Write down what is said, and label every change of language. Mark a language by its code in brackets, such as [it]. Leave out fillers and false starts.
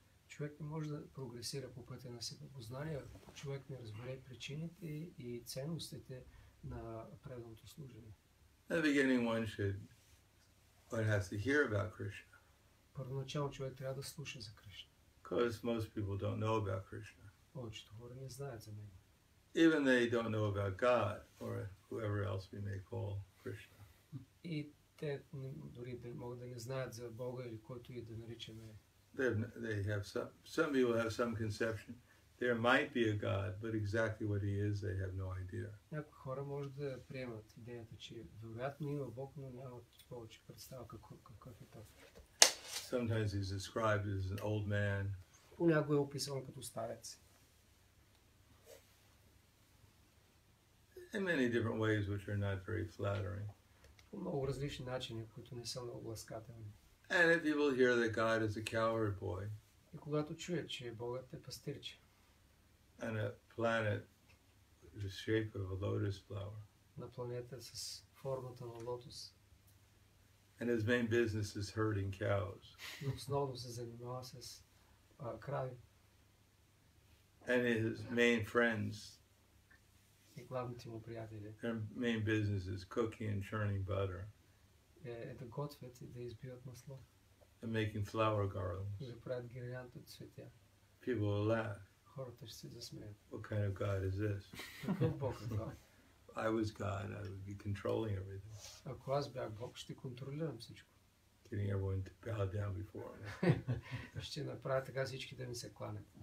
[bg] Човек не може да прогресира по пътя на себепознание, човек не разбере причините и ценностите на преданото служение. [en] In the beginning, one has to hear about Krishna. [bg] Първоначално човек трябва да слуша за Кришна. [en] Because most people don't know about Krishna. [bg] Повечето хора не знаят за него. [en] Even they don't know about God or whoever else we may call Krishna. [bg] И те дори могат да не знаят за Бога или който и да наричаме. [en] They have some people have some conception. There might be a God, but exactly what he is, they have no idea. [bg] Някои хора може да приемат идеята, че вероятно има Бог, но нямат повече представа какъв е той. [en] Sometimes he's described as an old man. [bg] Понякога е описан като старец. [en] In many different ways which are not very flattering. [bg] По много различни начини, които не са много ласкателни. [en] And if people hear that God is a cowherd boy. [bg] И когато чуят, че Богът е пастирче. [en] And a planet with the shape of a lotus flower. [bg] На планета с формата на лотос. [en] And his main business is herding cows. [bg] Но основно се занимава с крави. [en] And his main friends. [bg] И главните му приятели. [en] Their main business is cooking and churning butter. [bg] Е да готвят и да избиват масло. [en] And making flower garlands. [bg] И да правят гирлянди от цветя. [en] People will laugh. [bg] Хората ще се засмеят. [en] What kind of God is this? [bg] Какъв Бог е това? [en] I was God, I would be controlling everything. [bg] Ако аз бях Бог, ще контролирам всичко. [en] Getting everyone to bow down before me. [bg] Ще направя така всички да ми се кланят.